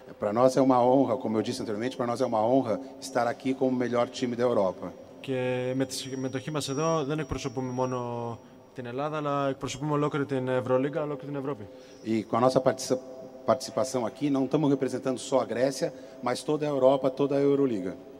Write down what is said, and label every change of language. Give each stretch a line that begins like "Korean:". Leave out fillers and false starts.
Portuguese: Para nós é uma honra, como eu disse anteriormente, para nós é uma honra estar aqui como o melhor time da Europa.
Greek: Και με τη συμμετοχή μας εδώ δεν εκπροσωπούμε μόνο την Ελλάδα, αλλά εκπροσωπούμε ολόκληρη την Ευρωλίγκα, ολόκληρη την Ευρώπη.
Portuguese: E com a nossa participação aqui, não estamos representando só a Grécia, mas toda a Europa, toda a Euroliga.